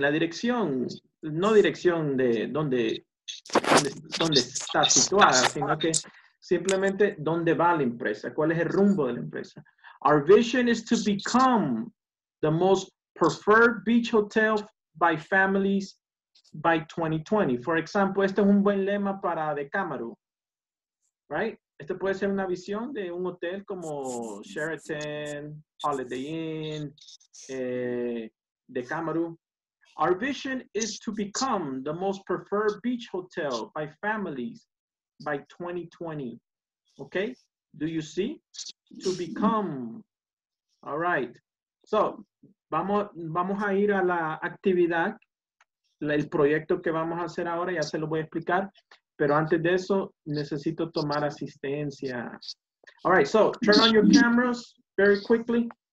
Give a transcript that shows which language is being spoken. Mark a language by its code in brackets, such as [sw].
[es] La dirección, no dirección de donde está situada, sino que simplemente donde va la empresa, cuál es el rumbo de la empresa. [en] Our vision is to become the most preferred beach hotel by families by 2020. For example, [es] este es un buen lema para Decameron, [en] right? [es] Este puede ser una visión de un hotel como Sheraton, Holiday Inn, Decameron. [en] Our vision is to become the most preferred beach hotel by families by 2020. Okay? Do you see? To become. All right. [es] So, vamos a ir a la actividad, el proyecto que vamos a hacer ahora, ya se lo voy a explicar. Pero antes de eso, necesito tomar asistencia. [en] All right, so turn on your cameras very quickly.